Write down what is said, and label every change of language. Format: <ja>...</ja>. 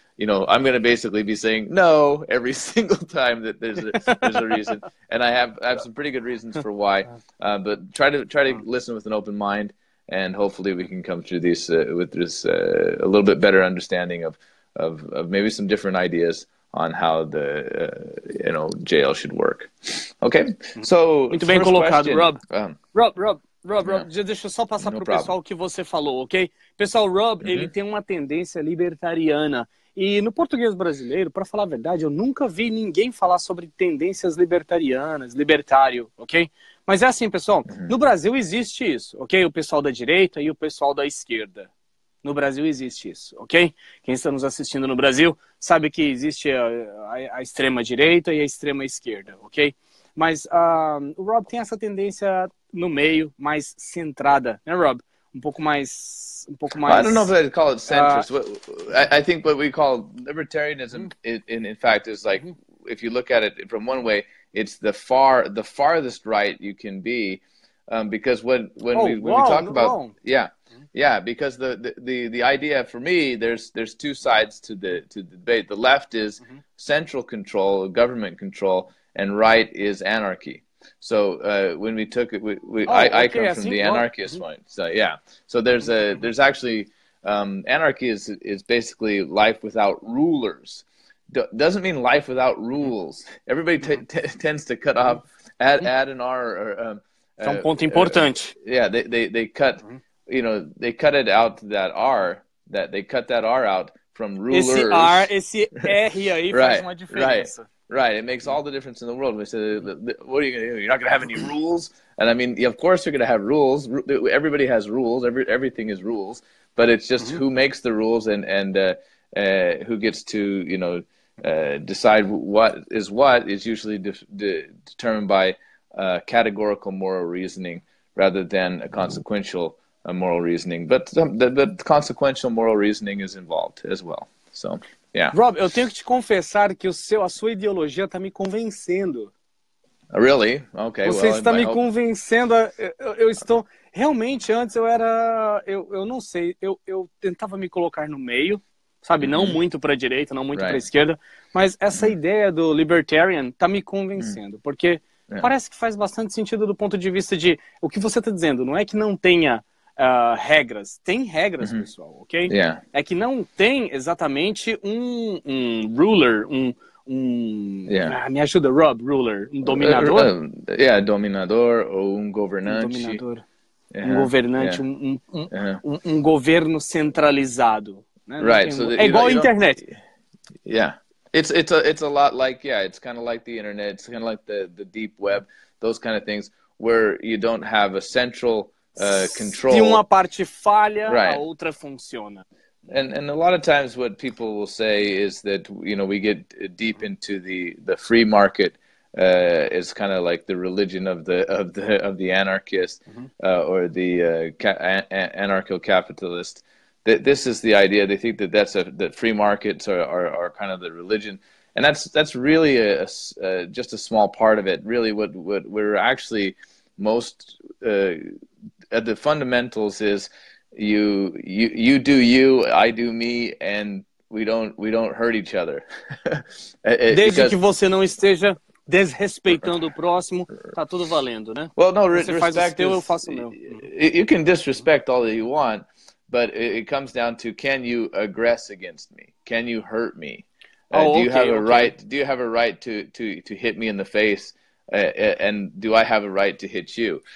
<en>You know, I'm going to basically be saying no every single time that there's a reason, and I have some pretty good reasons for why. But try to listen with an open mind, and hopefully we can come through these with a little bit better understanding of maybe some different ideas on how the jail should work. Okay, so</en> <pt>muito bem colocado, Rob, deixa eu só passar pro pessoal o que você falou, ok? Pessoal, Rob, ele tem uma tendência libertariana. E no português brasileiro, para falar a verdade, eu nunca vi ninguém falar sobre tendências libertarianas, libertário, ok? Mas é assim, pessoal, no Brasil existe isso, ok? O pessoal da direita e o pessoal da esquerda. No Brasil existe isso, ok? Quem está nos assistindo no Brasil sabe que existe a extrema direita e a extrema esquerda, ok? Mas o Rob tem essa tendência no meio, mais centrada, né, Rob? Um pouco mais...</pt> <en>I don't know if I'd call it centrist. I think what we call libertarianism, in fact, is like, if you look at it from one way, it's the farthest right you can be, because when we talk about because the idea for me, there's two sides to the debate. The left is central control, government control, and right is anarchy. So when we took it, I come from the anarchist point. So yeah. So there's actually anarchy is basically life without rulers. Doesn't mean life without rules. Everybody tends to cut off add an R.</en> <pt>É um ponto importante.</pt> <en>Yeah, they cut, they cut it out that R, that they cut that R out from rulers.</en> <pt>Esse R, esse R aí faz uma diferença.</pt> <en>Right, it makes all the difference in the world. We said, what are you going to do? You're not going to have any rules? And I mean, of course you're going to have rules. Everybody has rules. Everything is rules. But it's just who makes the rules and who gets to, decide what is usually determined by categorical moral reasoning rather than a consequential moral reasoning. But the consequential moral reasoning is involved as well. So... Yeah.</en> <pt>Rob, eu tenho que te confessar que a sua ideologia está me convencendo.</pt> <en>Really? Okay.</en> <pt>Você está me convencendo. Eu estou... Realmente, antes eu era... Eu não sei. Eu tentava me colocar no meio, sabe? Não muito para a direita, não muito para a esquerda. Mas essa ideia do libertarian está me convencendo. Porque parece que faz bastante sentido do ponto de vista de... O que você está dizendo, não é que não tenha... regras. Tem regras, pessoal, ok?</pt> <en>Yeah.</en> <pt>É que não tem exatamente um ruler, me ajuda, Rob, ruler, um dominador. Dominador ou um governante. Um dominador. Uh-huh. Um governante, yeah. Um governo centralizado. Né?</pt> <en>Right.</en> <pt>Um...</pt> <en>So</en> <pt>é igual a internet.</pt> <en>Yeah. It's a lot like, it's kind of like the internet, it's kind of like the deep web, those kind of things, where you don't have a central... control.</en> <pt>Se uma parte falha, a outra funciona.</pt> <en>And a lot of times what people will say is that, we get deep into the free market is kind of like the religion of the anarchist, mm-hmm. Or the anarcho-capitalist. This is the idea. They think that free markets are kind of the religion, and that's really just a small part of it. Really, what we're actually most at the fundamentals is you do you, I do me, and we don't hurt each other.</en> <pt>Desde que você não esteja desrespeitando o próximo, tá tudo valendo, né?</pt> <en>Well, no, respect is,</en> <pt>eu faço meu.</pt> <en>You can disrespect all that you want, but it comes down to, can you aggress against me? Can you hurt me? Right, do you have a right to hit me in the face? And do I have a right to hit you?</en>